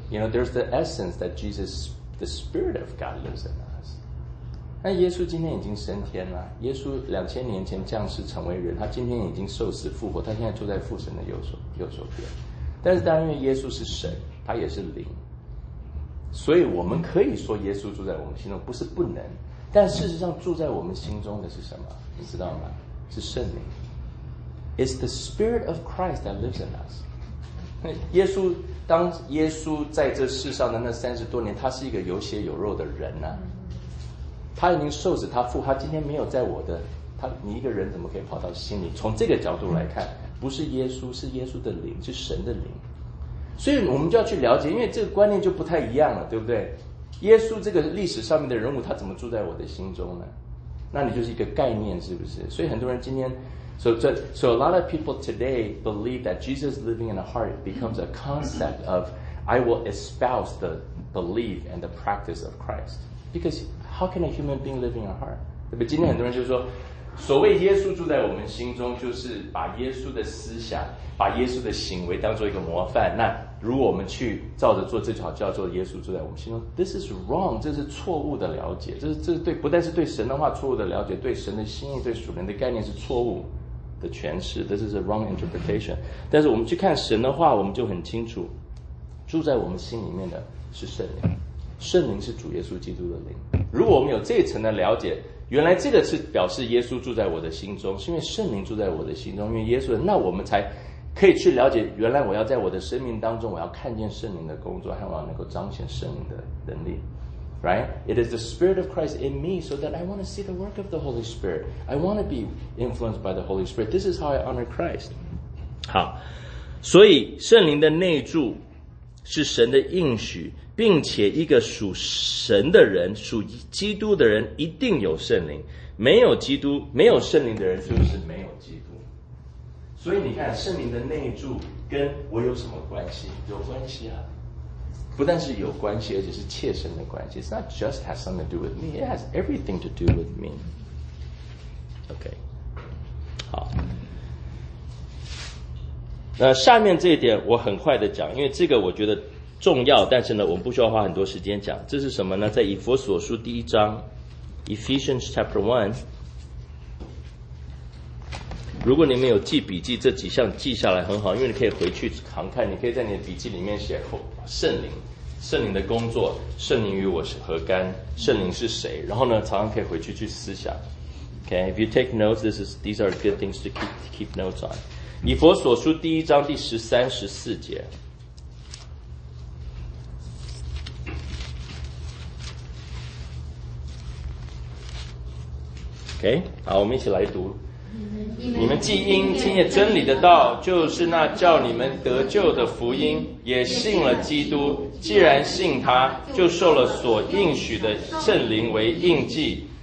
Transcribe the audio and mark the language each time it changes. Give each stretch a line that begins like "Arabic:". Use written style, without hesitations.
English: You know, there's the essence that Jesus, the Spirit of God lives in us.
Chinese: 那耶稣今天已经升天了，耶稣2000年前降世成为人，他今天已经受死复活，他现在住在父神的右手边。但是当然因为耶稣是神，他也是灵，所以我们可以说耶稣住在我们心中，不是不能，但事实上住在我们心中的是什么？你知道吗？是圣灵。
English: It's the Spirit of Christ that lives in us.
Chinese: 耶稣，当耶稣在这世上的那30多年，他是一个有血有肉的人啊，他已经受死，他父，他今天没有在我的，他，你一个人怎么可以跑到心里？从这个角度来看，不是耶稣，是耶稣的灵，是神的灵。所以我们就要去了解，因为这个观念就不太一样了，对不对？耶稣这个历史上面的人物，他怎么住在我的心中呢？那你就是一个概念，是不是？所以很多人今天
English: so a lot of people today believe that Jesus living in a heart becomes a concept of I will espouse the belief and the practice of Christ. Because how can a human being live in a heart?
Chinese: 对不对？今天很多人就说，所谓耶稣住在我们心中，就是把耶稣的思想，把耶稣的行为当做一个模范。那如果我们去照着做，这就好，叫做耶稣住在我们心中。
English: This is wrong，
Chinese: 这是错误的了解，这是对，不但是对神的话错误的了解，对神的心意，对属灵的概念是错误的诠释。
English: This is a wrong interpretation。
Chinese: 但是我们去看神的话，我们就很清楚，住在我们心里面的是圣灵，圣灵是主耶稣基督的灵。如果我们有这一层的了解，原来这个是表示耶稣住在我的心中，是因为圣灵住在我的心中，因为耶稣，那我们才可以去了解，原来我要在我的生命当中，我要看见圣灵的工作，还要能够彰显圣灵的能力。
English: Right? It is the Spirit of Christ in me so that I want to see the work of the Holy Spirit. I want to be influenced by the Holy Spirit. This is how I honor Christ.
Chinese: 好，所以圣灵的内住是神的应许，并且一个属神的人，属基督的人一定有圣灵，没有基督，没有圣灵的人就是没有基督。所以你看，圣灵的内住跟我有什么关系？有关系啊，不但是有关系，而且是切身的关系。
English: It's not just has something to do with me, it has everything to do with me.
Chinese: OK, 好，那下面这一点我很快的讲，因为这个我觉得重要，但是呢我们不需要花很多时间讲。这是什么呢？在以弗所书第一章
English: Ephesians chapter 1,
Chinese: 如果你们有记笔记，这几项记下来很好，因为你可以回去常看，你可以在你的笔记里面写圣灵，圣灵的工作，圣灵与我何干，圣灵是谁，然后呢常常可以回去去思想。
English: Okay, if you take notes, these are good things to keep notes on.
Chinese: 以弗所书第一章第13、14节，OK, 好，我们一起来读。你们既因听见真理的道，就是那叫你们得救的福音，也信了基督，既然信他，就受了所应许的圣灵为印记。